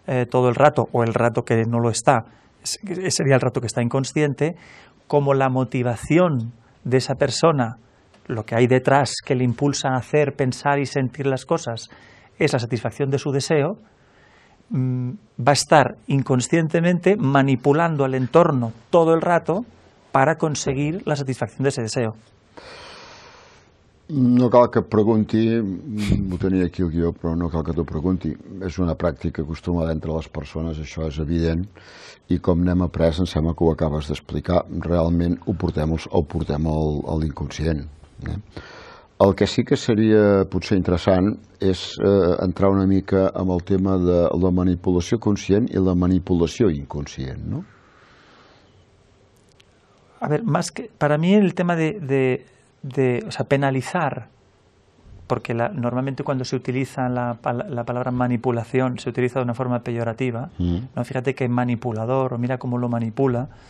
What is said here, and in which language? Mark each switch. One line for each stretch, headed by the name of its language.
Spanish: todo el rato, o el rato que no lo está, sería el rato que está inconsciente, como la motivación de esa persona, lo que hay detrás que le impulsa a hacer, pensar y sentir las cosas, es la satisfacción de su deseo, va a estar inconscientemente manipulando al entorno todo el rato para conseguir la satisfacción de ese deseo.
Catalan: No cal que et pregunti, ho tenia aquí el guió, però no cal que t'ho pregunti. És una pràctica acostumada entre les persones, això és evident, i com n'hem après, em sembla que ho acabes d'explicar, realment ho portem a l'inconscient. El que sí que seria potser interessant és entrar una mica en el tema de la manipulació conscient i la manipulació inconscient, no?
Spanish: A ver, más que para mí el tema de penalizar, porque normalmente cuando se utiliza la palabra manipulación se utiliza de una forma peyorativa, ¿no? Fíjate que manipulador, o mira cómo lo manipula.